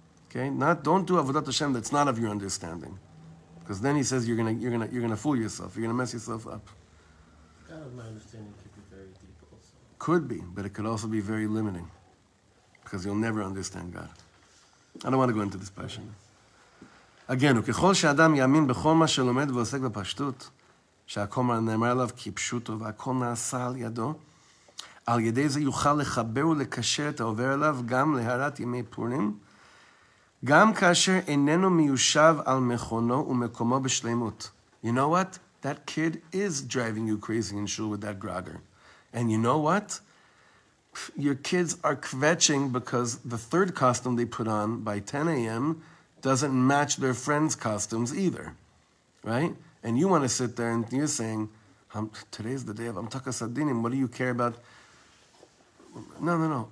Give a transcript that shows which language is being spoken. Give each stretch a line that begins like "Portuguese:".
English: Okay, don't do avodat Hashem that's not of your understanding, because then he says you're gonna fool yourself. You're gonna mess yourself up. God of my understanding could be very deep also. Could be, but it could also be very limiting. Because you'll never understand God. I don't want to go into this passion.
Hebrew: Again, וככל שאדם יאמין בכל מה שלומד ועוסק בפשטות, שהכל נאמר עליו כפשוטו והכל נעשה על ידו, על ידי זה יוכל לחבר ולקשר את העובר עליו גם להערת ימי פורים, גם כאשר איננו מיושב על מכונו ומקומו בשלמות.
English: You know what? That kid is driving you crazy in shul with that grogger. And you know what? Your kids are kvetching because the third costume they put on by 10 a.m. doesn't match their friends' costumes either, right? And you want to sit there and you're saying, today's the day of Amtakas Adinim, what do you care about? No.